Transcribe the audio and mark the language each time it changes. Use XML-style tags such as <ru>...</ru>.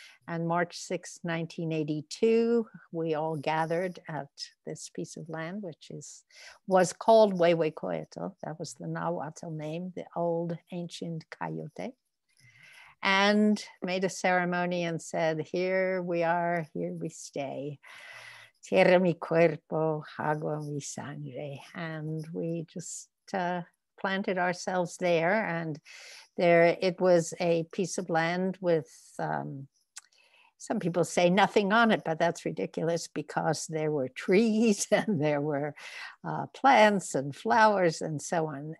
<en>And March 6, 1982, we all gathered at this piece of land, which was called Huehuecoyotl. That was the Nahuatl name, the old ancient coyote. And made a ceremony and said, here we are, here we stay.</en> <es>Tierra mi cuerpo, agua mi sangre.</es> <en>And we just planted ourselves there, and there it was a piece of land with some people say nothing on it, but that's ridiculous because there were trees and there were plants and flowers and so on.</en>